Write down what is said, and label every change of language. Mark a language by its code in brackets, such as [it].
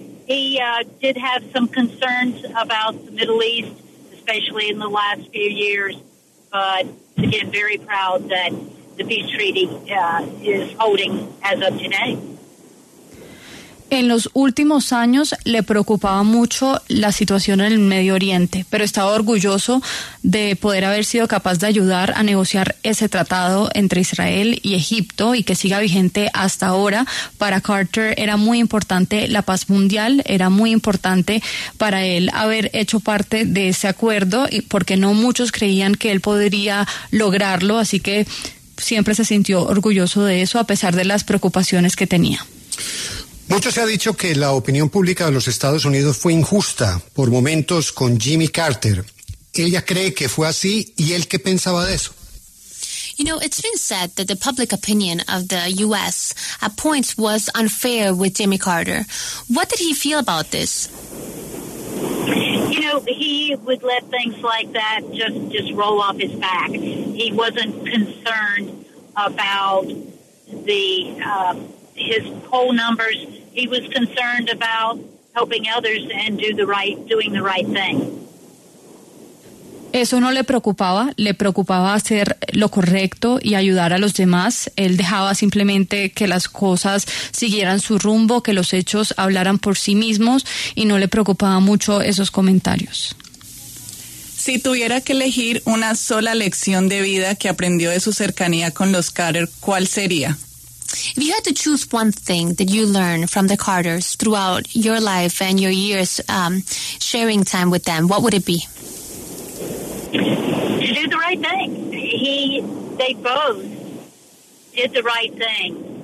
[en] He did have some concerns about the Middle East, especially in the last few years, but again, very proud that the peace treaty is holding as of today. [es] En los últimos años le preocupaba mucho la situación en el Medio Oriente, pero estaba orgulloso de poder haber sido capaz de ayudar a negociar ese tratado entre Israel y Egipto y que siga vigente hasta ahora. Para Carter era muy importante la paz mundial, era muy importante para él haber hecho parte de ese acuerdo, porque no muchos creían que él podría lograrlo, así que siempre se sintió orgulloso de eso a pesar de las preocupaciones que tenía. Mucho se ha dicho que la opinión pública de los Estados Unidos fue injusta por momentos con Jimmy Carter. ¿Ella cree que fue así y él qué pensaba de eso? [en] You know, it's been said that the public opinion of the U.S. at points was unfair with Jimmy Carter. What did he feel about this? You know, he would let things like that just roll off his back. He wasn't concerned about his poll numbers. He was concerned about helping others and doing the right thing. [es] Eso no le preocupaba hacer lo correcto y ayudar a los demás. Él dejaba simplemente que las cosas siguieran su rumbo, que los hechos hablaran por sí mismos, y no le preocupaba mucho esos comentarios. Si tuviera que elegir una sola lección de vida que aprendió de su cercanía con los Carter, ¿cuál sería? [en] If you had to choose one thing that you learned from the Carters throughout your life and your years sharing time with them, what would it be? To do the right thing. They both did the right thing.